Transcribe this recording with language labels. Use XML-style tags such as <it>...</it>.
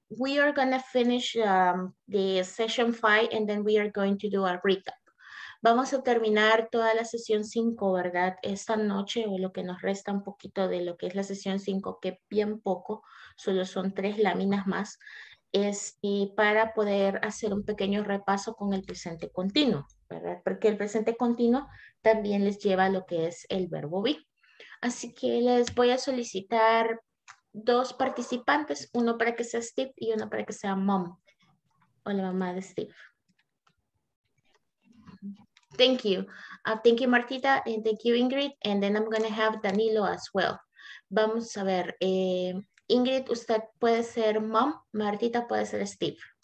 <en>We are going to finish the session 5 and then we are going to do a recap.</en> <es>Vamos a terminar toda la sesión 5, ¿verdad? Esta noche o lo que nos resta un poquito de lo que es la sesión 5, que bien poco, solo son 3 láminas más, y para poder hacer un pequeño repaso con el presente continuo, ¿verdad? Porque el presente continuo también les lleva a lo que es el verbo be. Así que les voy a solicitar 2 participantes, uno para que sea Steve y uno para que sea mom o la mamá de Steve.</es> <en>Thank you. Thank you, Martita, and thank you, Ingrid. And then I'm going to have Danilo as well.</en> <es>Vamos a ver, Ingrid, usted puede ser mom, Martita puede ser Steve.</es>